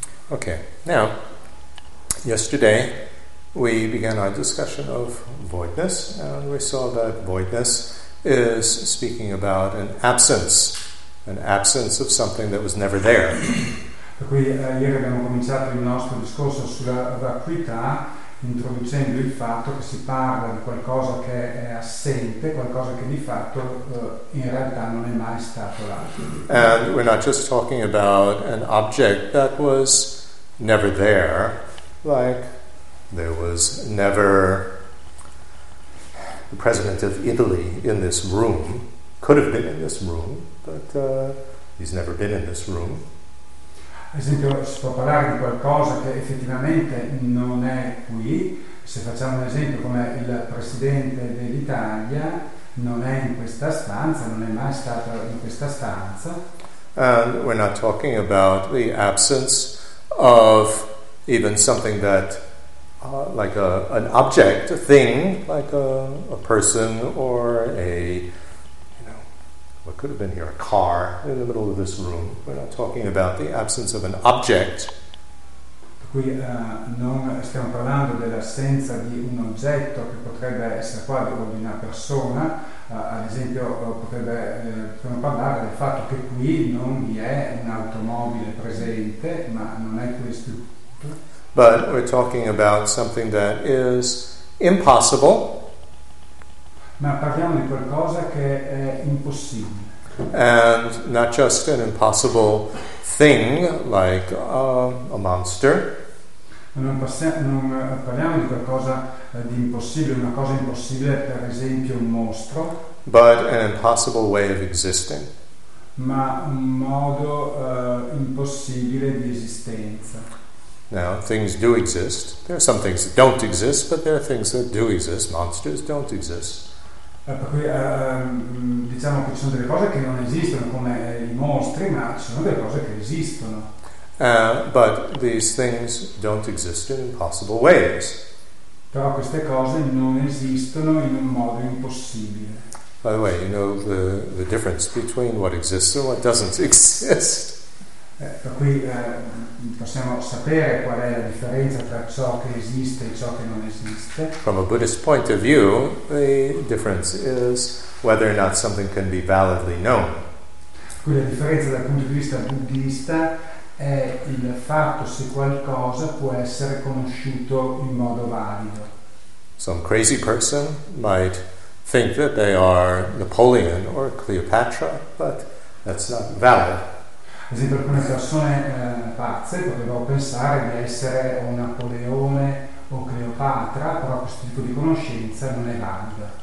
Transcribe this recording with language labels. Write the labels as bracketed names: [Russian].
[English] Okay, now, yesterday we began our discussion of voidness, and we saw that voidness is speaking about an absence of something that was never there. [Italian] Per cui ieri abbiamo cominciato il nostro discorso sulla vacuità, introducendo il fatto che si parla di qualcosa che è assente, qualcosa che di fatto in realtà non è mai stato là. [English] And we're not just talking about an object that was never there, like there was never the president of Italy in this room, could have been in this room, but he's never been in this room. [Italian] Ad esempio, si può parlare di qualcosa che effettivamente non è qui. Se facciamo un esempio, come il presidente dell'Italia non è in questa stanza, non è mai stato in questa stanza. [English] And we're not talking about the absence of even something that, like an object, a thing, like a person or what could have been here, a car in the middle of this room. We're not talking about the absence of an object. [Italian] Qui non stiamo parlando dell'assenza di un oggetto che potrebbe essere qua, o di una persona. Ad esempio, potremmo parlare del fatto che qui non vi è un'automobile presente, ma non è questo. [English] But we're talking about something that is impossible. [Italian] Ma parliamo di qualcosa che è impossibile. [English] And not just an impossible thing like a monster. [Italian] Non parliamo di qualcosa di impossibile, una cosa impossibile, per esempio un mostro. [English] But an impossible way of existing. [Italian] Ma un modo impossibile di esistenza. [English] Now, things do exist. There are some things that don't exist, but there are things that do exist. Monsters don't exist. [Italian] Per cui diciamo che ci sono delle cose che non esistono, come i mostri, ma ci sono delle cose che esistono. [English] But these things don't exist in impossible ways. [Italian] Però queste cose non esistono in un modo impossibile. [English] By the way, you know the difference between what exists and what doesn't exist. [Italian] Per cui possiamo sapere qual è la differenza tra ciò che esiste e ciò che non esiste. [English] From a Buddhist point of view, the difference is whether or not something can be validly known. [Italian] Quindi la differenza dal punto di vista buddista è il fatto se qualcosa può essere conosciuto in modo valido. [English] Some crazy person might think that they are Napoleon or Cleopatra, but that's not valid. [Italian] Ad esempio, alcune persone pazze potrebbero pensare di essere o Napoleone o Cleopatra, però questo tipo di conoscenza non è valida.